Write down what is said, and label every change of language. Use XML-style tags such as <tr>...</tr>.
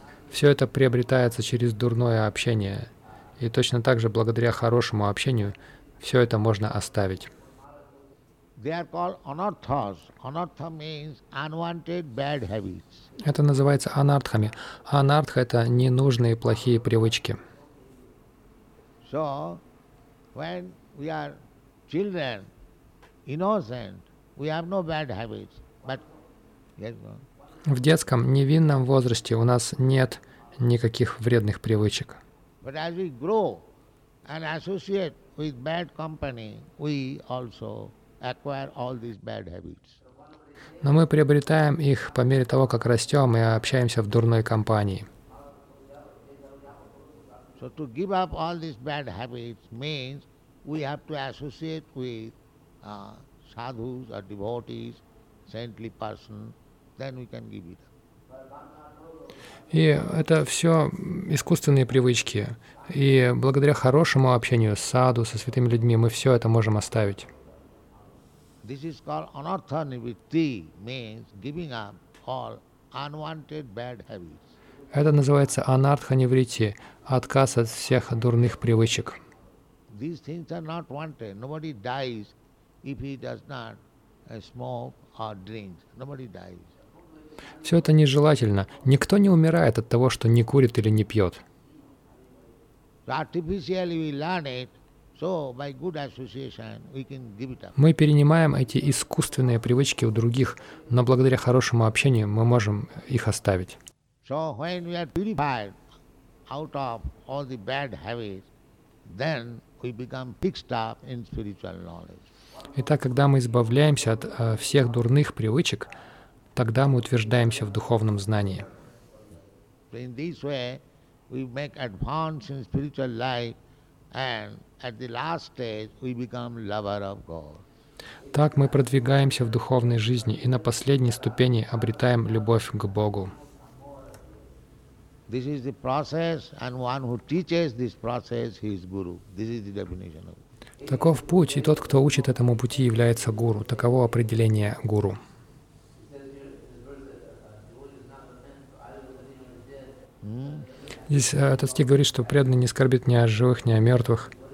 <ru>Все это приобретается через дурное общение. И точно так же, благодаря хорошему общению, все это можно оставить. Это называется анартхами. Анартха — это ненужные плохие привычки.</ru> <en>When we are children, innocent, we have no bad habits, but yes.</en> <ru>В детском невинном возрасте у нас нет никаких вредных привычек.</ru> <en>But as we grow and associate with bad company, we also acquire all these bad habits.</en> <ru>Но мы приобретаем их по мере того, как растем и общаемся в дурной компании.</ru> <en>So to give up all these bad habits means we have to associate with sadhus or devotees, saintly person, then we can give it up.</en> <ru>И это все искусственные привычки. И благодаря хорошему общению с саду, со святыми людьми, мы все это можем оставить.</ru> <en>This is called anartha nivritti, means giving up all unwanted bad habits.</en> <ru>Это называется anartha nivritti, отказ от всех дурных привычек.</ru> <en>These things are not wanted. Nobody dies if he does not smoke or drink. Nobody dies.</en> <ru>Все это нежелательно. Никто не умирает от того, что не курит или не пьет.</ru> <en>Artificially we learn it, so by good association we can give it up.</en> <ru>Мы перенимаем эти искусственные привычки у других, но благодаря хорошему общению мы можем их оставить.</ru> <en>So when we are purified out of all the bad habits, then we become fixed up in spiritual knowledge.</en> <ru>Итак, когда мы избавляемся от всех дурных привычек, тогда мы утверждаемся в духовном знании.</ru> <en>So in this way, we make advance in spiritual life, and at the last stage, we become lover of God.</en> <ru>Так мы продвигаемся в духовной жизни и на последней ступени обретаем любовь к Богу.</ru> <en>This is the process, and one who teaches this process, he is guru. This is the definition of.</en> <ru>Таков путь, и тот, кто учит этому пути, является гуру. Таково определение гуру. Здесь этот стих говорит, что преданный не скорбит ни о живых, ни о мертвых.</ru>